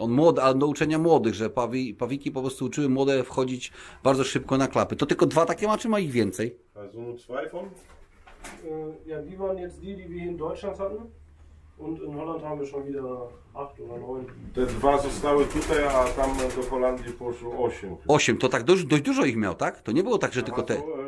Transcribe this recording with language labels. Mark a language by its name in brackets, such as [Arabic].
[Polish] On młody, ale do uczenia młodych, że pawiki po prostu uczyły młode wchodzić bardzo szybko na klapy. To tylko dwa takie ma, czy ma ich więcej? [German] Also nur zwei von. Ja, die waren jetzt die wir in Deutschland hatten. Und in Holland haben wir schon wieder 8 oder 9. [Polish] Te dwa zostały tutaj, a tam do Holandii poszło 8. 8, to tak dość dużo ich miał, tak? To nie było tak, że tylko te.